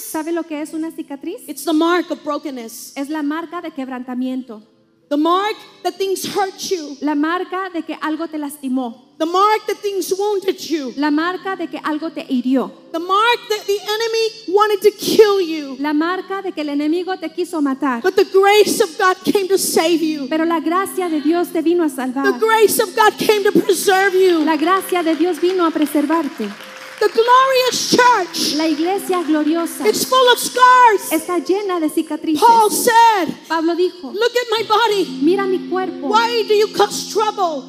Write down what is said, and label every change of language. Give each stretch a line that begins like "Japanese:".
Spanish: ¿Sabe lo que es una cicatriz?
English: It's the mark of brokenness.
Spanish: Es la marca de quebrantamiento.
English: The mark that things hurt you.
Spanish: La marca de que algo te lastimó.
English: The mark that things wounded you.
Spanish: La marca de que algo te hirió.
English: The mark that the enemy wanted to kill you.
Spanish: La marca de que el enemigo te quiso matar.
English: But the grace of God came to save you.
Spanish: Pero la gracia de Dios te vino a salvar.
English: The grace of God came to preserve you.
Spanish: La gracia de Dios vino a preservarte.
English: The glorious church.
Spanish: La iglesia gloriosa.
English: It's full of scars.
Spanish: Está llena de cicatrices.
English: Paul said.
Spanish: Pablo dijo.
English: Look at my body.
Spanish: Mira mi cuerpo.
English: Why do you cause trouble?